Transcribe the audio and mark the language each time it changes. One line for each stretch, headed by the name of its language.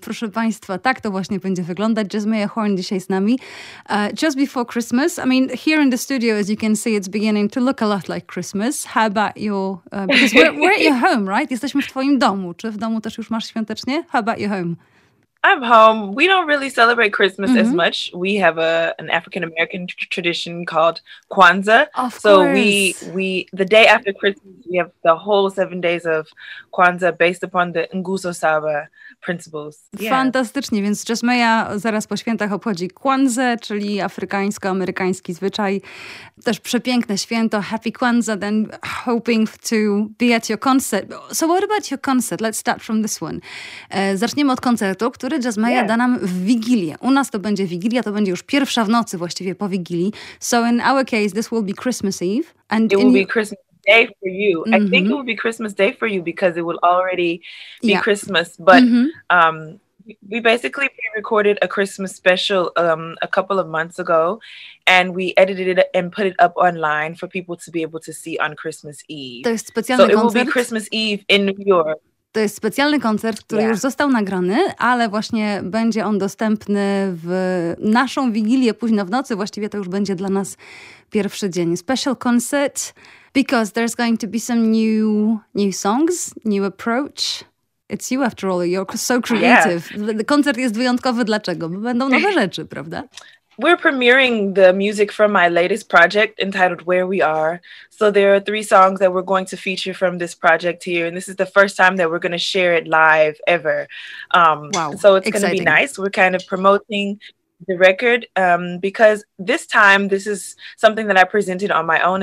Polish: Proszę Państwa, tak to właśnie będzie wyglądać. Jasmia Horn dzisiaj z nami.
English: Just before Christmas, I mean, here in the studio, as you can see, it's beginning to look a lot like Christmas. How about your... because we're at your home, right?
Polish: Jesteśmy w Twoim domu. Czy w domu też już masz świątecznie?
English: How about your home? I'm home. We don't really celebrate Christmas mm-hmm. as much. We have an African American tradition called Kwanzaa. Of course. So we the day after Christmas, we have the whole 7 days of Kwanzaa based upon the Nguso Saba principles. Yeah.
Polish: Fantastycznie, więc Jasmia zaraz po świętach obchodzi Kwanzaa, czyli afrykańsko-amerykański zwyczaj. Też przepiękne święto.
English: Happy Kwanzaa, then hoping to be at your concert. So what about your concert? Let's start from this one.
Polish: Zaczniemy od koncertu, który Jasmia da nam w Wigilię. U nas to będzie Wigilia, to będzie już pierwsza w nocy właściwie po Wigilii.
English: So in our case, this will be Christmas Eve. And it will be Christmas Day for you. Mm-hmm. I think it will be Christmas Day for you because it will already be Christmas. But mm-hmm. We basically recorded a Christmas special a couple of months ago and we edited it and put it up online for people to be able to see on Christmas Eve.
Polish: To jest specjalny koncert.
English: So it will be Christmas Eve in New York.
Polish: To jest specjalny koncert, który już został nagrany, ale właśnie będzie on dostępny w naszą Wigilię późno w nocy. Właściwie to już będzie dla nas pierwszy dzień.
English: Special concert, because there's going to be some new songs, new approach. It's you after all, you're so creative. Yeah.
Polish: Koncert jest wyjątkowy, dlaczego? Bo będą nowe rzeczy, prawda?
English: We're premiering the music from my latest project entitled Where We Are. So there are three songs that we're going to feature from this project here. And this is the first time that we're going to share it live ever. So it's going to be nice. We're kind of promoting the record because this time this is something that I presented on my own.